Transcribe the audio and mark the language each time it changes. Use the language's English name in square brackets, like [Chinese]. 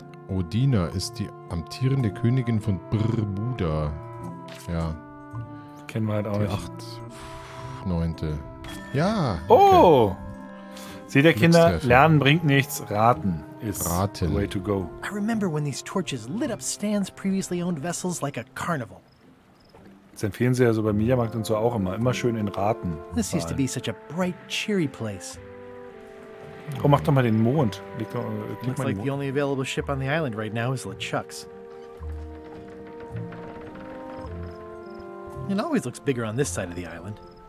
[German] Odina ist die amtierende Königin von Bermuda. Ja. Kennen wir halt auch. Die 8. 9. Ja. Okay. Oh! Seht ihr, Kinder, lernen bringt nichts. Raten ist [English] the way to go. I remember when these torches lit up Stans' previously owned vessels like a carnival. [German] Das empfehlen sie ja so beim Mediamarkt und so auch immer. Immer schön in Raten. [English] This used to be such a bright, cheery place. [German] Oh, mach doch mal den Mond. [English] Looks like the only available ship on the island right now is LeChuck's. It always looks bigger on this side of the island.